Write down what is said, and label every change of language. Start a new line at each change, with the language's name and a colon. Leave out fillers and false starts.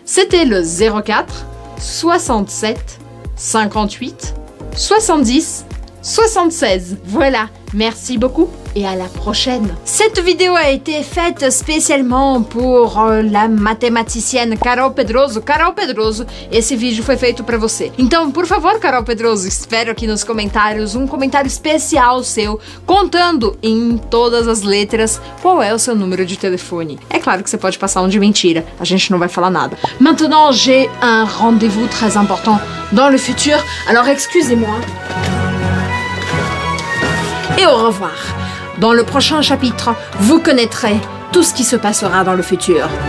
French: C'était le 04 67 58 70 76. Voilà, merci beaucoup et à la prochaine. Cette vidéo a été faite spécialement pour la mathématicienne Carol Pedroso.
Portuguese: Carol Pedroso, esse vídeo foi feito para você. Então, por favor, Carol Pedroso, espero aqui nos comentários um comentário especial seu contando em todas as letras qual é o seu número de telefone. É claro que você pode passar um de mentira, a gente não vai falar nada.
French: Maintenant, j'ai un rendez-vous très important dans le futur, alors excusez-moi. Et au revoir. Dans le prochain chapitre, vous connaîtrez tout ce qui se passera dans le futur.